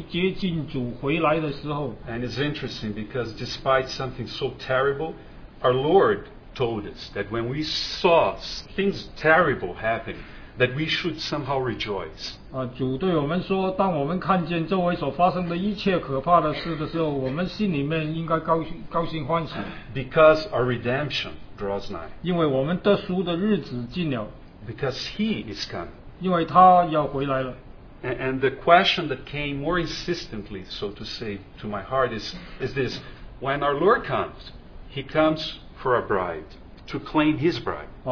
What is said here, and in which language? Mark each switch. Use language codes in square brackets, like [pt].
[zh] 我们是否能够分辨我们已经处在一个极其接近主回来的时候？ [en] And it's interesting because despite something so terrible, our Lord told us that when we saw things terrible happen, that we should somehow rejoice. [zh] 主对我们说，当我们看见周围所发生的一切可怕的事的时候，我们心里面应该高兴欢喜。 [en] Because our redemption draws nigh. [zh] 因为我们得赎的日子近了。 [en] Because He is coming. [zh] 因为他要回来了。 [en] And the question that came more insistently, so to say, to my heart is this: when our Lord comes, He comes for a bride, to claim His bride.